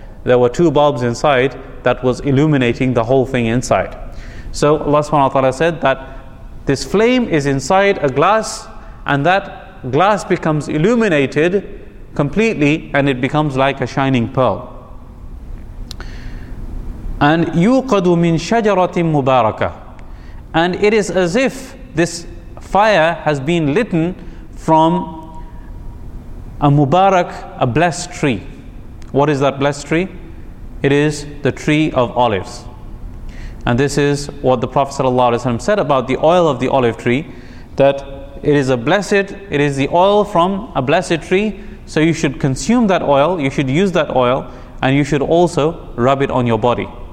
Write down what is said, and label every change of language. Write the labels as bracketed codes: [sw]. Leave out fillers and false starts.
[en] There were two bulbs inside that was illuminating the whole thing inside. So Allah subhanahu wa ta'ala said that this flame is inside a glass, and that glass becomes illuminated completely and it becomes like a shining pearl. [ar] And يُوْقَدُ مِنْ شَجَرَةٍ مُبَارَكَةٍ. [en] And it is as if this fire has been lit from a mubarak, a blessed tree. What is that blessed tree? It is the tree of olives. And this is what the Prophet ﷺ said about the oil of the olive tree, that it is the oil from a blessed tree, so you should consume that oil, you should use that oil, and you should also rub it on your body.